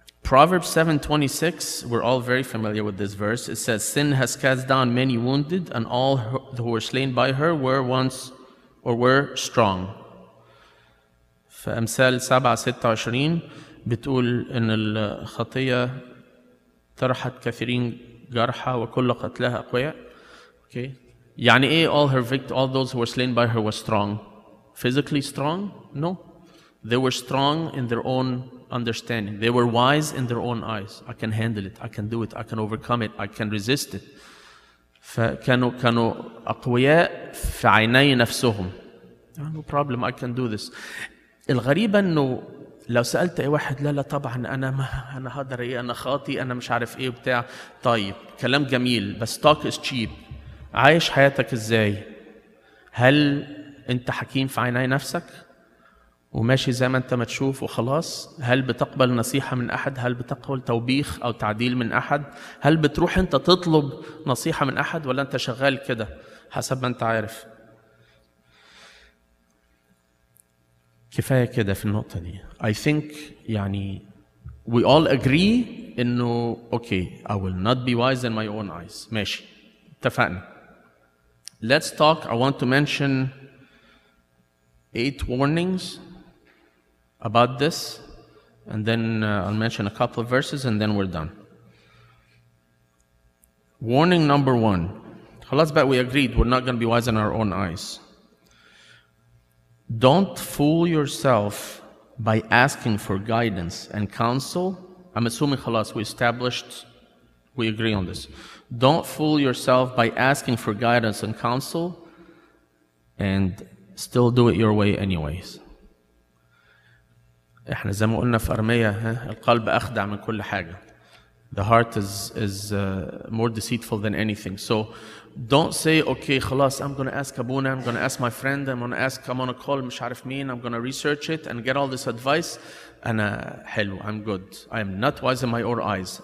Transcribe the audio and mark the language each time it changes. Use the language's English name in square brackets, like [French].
[English] Proverbs 7:26, we're all very familiar with this verse. It says, sin has cast down many wounded and all who were slain by her were once or were strong. [Arabic] فأمثال 7:26 بتقول ان الخطية طرحت كثيرين جرحى وكل قتلها أقوياء. [English] Okay. [Arabic] يعني ايه [English] all those who were slain by her were strong. Physically strong? No. They were strong in their own understanding. They were wise in their own eyes. I can handle it. I can do it. I can overcome it. I can resist it. [Arabic] فكانوا أقوياء في عيني نفسهم. [English] No problem. I can do this. [Arabic] الغريب أنه لو سألت أي واحد، لا طبعا أنا هقدر إيه، أنا خاطي، أنا مش عارف إيه بتاع. طيب كلام جميل بس [English] talk is cheap. [Arabic] عايش حياتك إزاي؟ هل أنت حكيم في عيني نفسك؟ وماشي زي ما انت ما تشوف وخلاص؟ هل بتقبل نصيحه من احد؟ هل بتقبل توبيخ او تعديل من احد؟ هل بتروح انت تطلب نصيحه من احد ولا انت شغال كده حسب ما انت عارف؟ كفايه كده في النقطه دي. [English] I think يعني we all agree انه okay I will not be wise in my own eyes. [Arabic] ماشي اتفقنا. [English] Let's talk. I want to mention 8 warnings about this and then I'll mention a couple of verses and then we're done. Warning number one. [Arabic] خلاص بقى [English] we agreed we're not going to be wise in our own eyes. Don't fool yourself by asking for guidance and counsel. I'm assuming خلاص we established we agree on this. Don't fool yourself by asking for guidance and counsel and still do it your way anyways. [Arabic] احنا زي ما قلنا في أرمية، ها، القلب اخدع من كل حاجه. [English] The heart is more deceitful than anything. So don't say okay خلاص I'm going to ask Abuna, I'm going to ask my friend, I'm going to call [Arabic] مش عارف مين, [English] I'm going to research it and get all this advice. [Arabic] انا حلو, [English] I'm good, I'm not wise in my own eyes.